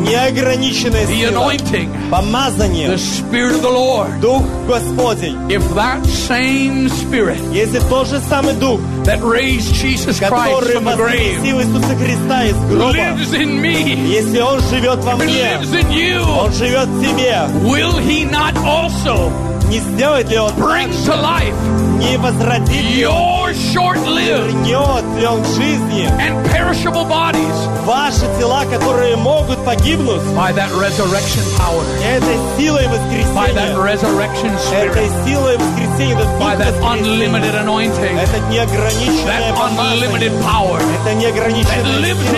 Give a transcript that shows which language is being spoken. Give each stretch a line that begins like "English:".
Russian: Неограниченная сила.
English: The anointing.
Russian: Помазание.
English: The Spirit of the Lord.
Russian: Дух Господень.
English: If that same Spirit.
Russian: Если тот же самый дух.
English: That raised Jesus Christ from the grave.
Russian: Который воскресил Иисуса Христа из гроба.
English: Lives in me.
Russian: Если он живет во мне.
English: Lives in you.
Russian: Он живет в тебе.
English: Will he not also bring to life your short-lived and perishable? perishable bodies
Russian: ваши тела, которые могут погибнуть,
English: by that resurrection power,
Russian: этой силой воскресения,
English: by that resurrection spirit,
Russian: этой силой воскресения, этот
English: by that unlimited anointing,
Russian: этот неограниченное
English: that unlimited power,
Russian: это неограниченная
English: that lives